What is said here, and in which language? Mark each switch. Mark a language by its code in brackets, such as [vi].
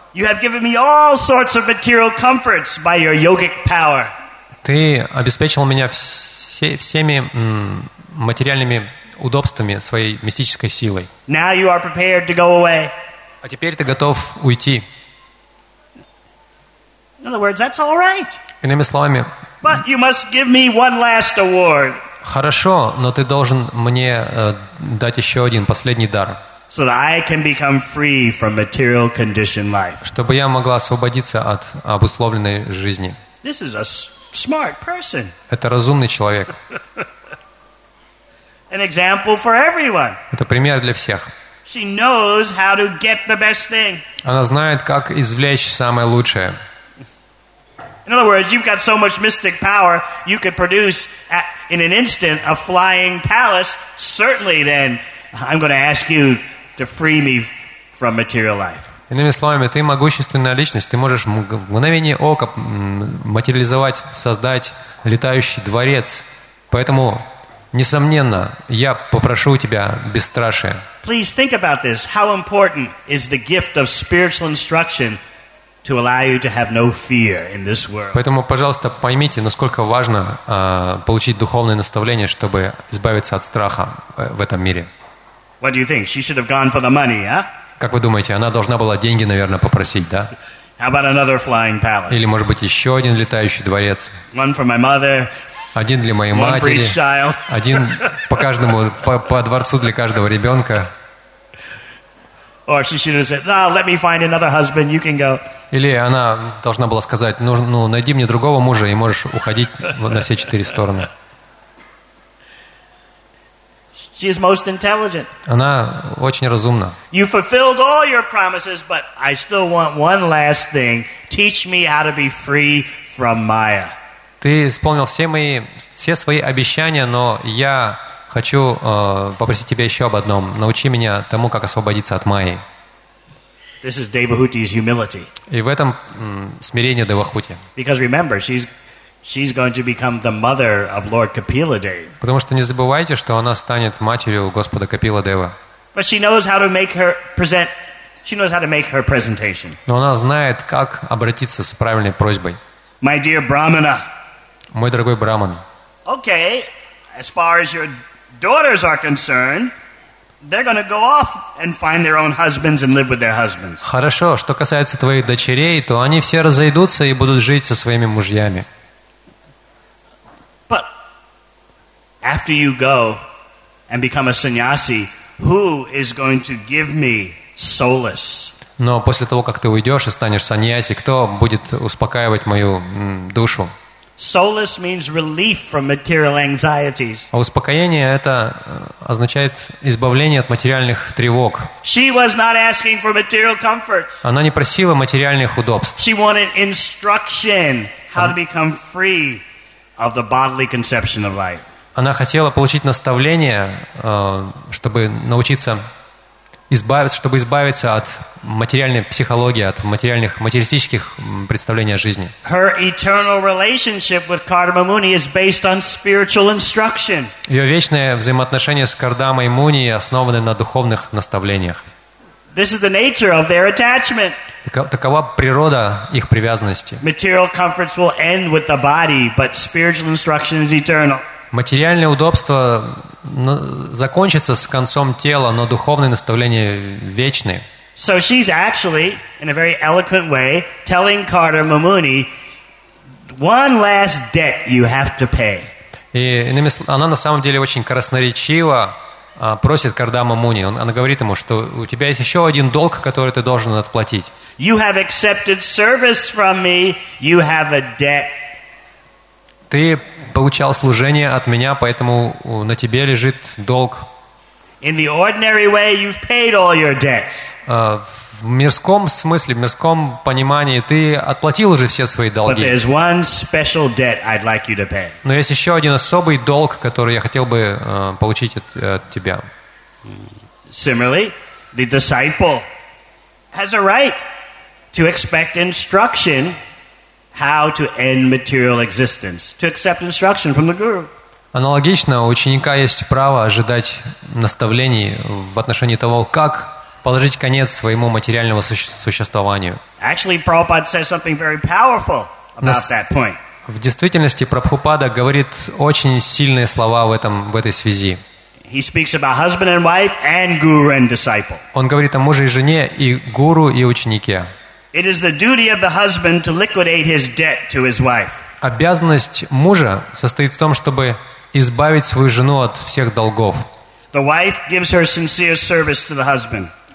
[en] You have given me all sorts of material comforts by your yogic power. [ru] Ты обеспечил меня всеми материальными удобствами своей мистической силой. [en] Now you are prepared to go away. [ru] А теперь ты готов уйти. [en] In other words, that's all right. [ru] Иными словами. [en] But you must give me one last award. [ru] Хорошо, но ты должен мне дать еще один последний дар. [en] So that I can become free from material conditioned life. [ru] Чтобы я могла освободиться от обусловленной жизни. [en] This is a smart person. [ru] Это разумный человек. [en] An example for everyone. [ru] Это пример для всех. [en] She knows how to get the best thing. [ru] Она знает, как извлечь самое лучшее. [en] In other words, you've got so much mystic power, you could produce in an instant a flying palace. Certainly, then I'm going to ask you to free me from material life. [ru] Иными словами, ты могущественная личность. Ты можешь в мгновение ока материализовать, создать летающий дворец. Поэтому, несомненно, я попрошу у тебя бесстрашие. [en] Please think about this. How important is the gift of spiritual instruction to allow you to have no fear in this world? [ru] Поэтому, пожалуйста, поймите, насколько важно получить духовное наставление, чтобы избавиться от страха в этом мире. [en] What do you think? She should have gone for the money, huh? [ru] Как вы думаете, она должна была деньги, наверное, попросить, да? [en] How about another flying palace? [ru] Или, может быть, еще один летающий дворец? [en] One for my mother. [ru] Один для моей матери. [en] One for each child. [ru] Один по каждому по дворцу для каждого ребенка. [en] Or she should have said, "No, let me find another husband. You can go." [ru] Или она должна была сказать: "Ну, найди мне другого мужа и можешь уходить на все четыре стороны." [en] She is most intelligent. [ru] Она очень разумна. [en] You fulfilled all your promises, but I still want one last thing. Teach me how to be free from Maya. [ru] Ты исполнил все свои обещания, но я хочу попросить тебя еще об одном. Научи меня тому, как освободиться от Майи. [en] This is Devahuti's humility. [ru] И в этом смирение Девахути. [en] Because remember, she's going to become the mother of Lord Kapiladeva. [ru] Потому что не забывайте, что она станет матерью Господа Капиладева. [en] But she knows how to make her present. She knows how to make her presentation. [ru] Но она знает, как обратиться с правильной просьбой. [en] My dear Brahmana. [ru] Мой дорогой Браман. [en] Okay, as far as your daughters are concerned, they're going to go off and find their own husbands and live with their husbands. [ru] Хорошо, что касается твоих дочерей, то они все разойдутся и будут жить со своими мужьями. [en] After you go and become a sannyasi, who is going to give me solace? [ru] Но после того, как ты уйдешь и станешь саньяси, кто будет успокаивать мою душу? [en] Solace means relief from material anxieties. [ru] А успокоение это означает избавление от материальных тревог. [en] She was not asking for material comforts. [ru] Она не просила материальных удобств. [en] She wanted instruction how to become free of the bodily conception of life. [ru] Она хотела получить наставление, чтобы научиться избавиться, чтобы избавиться от материальной психологии, от материальных, материалистических представлений о жизни. [en] Her eternal relationship with Kardama Muni is based on spiritual instruction. [ru] Ее вечное взаимоотношение с Кардамой Муни основаны на духовных наставлениях. [en] This is the nature of their attachment. [ru] Такова природа их привязанности. [en] Material comforts will end with the body, but spiritual instruction is eternal. [ru] Материальное удобство закончится с концом тела, но духовные наставления вечны. [en] So she's actually, in a very eloquent way, telling Carter Mamuni, one last debt you have to pay. [ru] И она на самом деле очень красноречиво просит Кардама Муни. Она говорит ему, что у тебя есть еще один долг, который ты должен отплатить. [en] You have accepted service from me, you have a debt. [ru] Ты получал служение от меня, поэтому на тебе лежит долг. [en] In the ordinary way, you've paid all your debts. [ru] В мирском смысле, в мирском понимании, ты отплатил уже все свои долги. [en] But there's one special debt I'd like you to pay. [ru] Но есть еще один особый долг, который я хотел бы получить от тебя. [en] Similarly, the disciple has a right to expect instruction how to end material existence, to accept instruction from the guru. [ru] Аналогично, у ученика есть право ожидать наставлений в отношении того, как положить конец своему материальному существованию. [en] Actually, Prabhupada says something very powerful about that point. [ru] В действительности, Прабхупада говорит очень сильные слова в этой связи. [en] He speaks about husband and wife and guru and disciple. [ru] Он говорит о муже и жене, и гуру, и ученике. [en] It is the duty of the husband to liquidate his debt to his wife. [ru] Обязанность мужа состоит в том, чтобы избавить свою жену от всех долгов. [en] The wife gives her sincere service to the husband.